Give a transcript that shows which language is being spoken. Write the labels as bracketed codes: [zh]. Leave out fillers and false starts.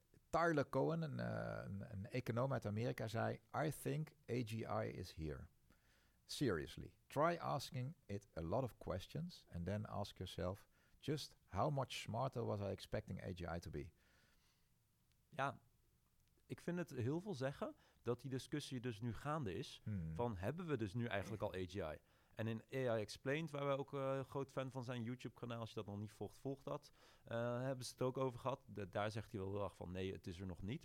[nl] Tyler Cohen, een econoom uit Amerika, zei... [en] I think AGI is here. Seriously. Try asking it a lot of questions and then ask yourself... just how much smarter was I expecting AGI to be? [nl] Ja, ik vind het heel veel zeggen dat die discussie dus nu gaande is... van hebben we dus nu eigenlijk al AGI? En in AI Explained, waar we ook groot fan van zijn, YouTube-kanaal, als je dat nog niet volgt, volg dat. Hebben ze het ook over gehad. Daar zegt hij wel heel erg van, nee, het is er nog niet.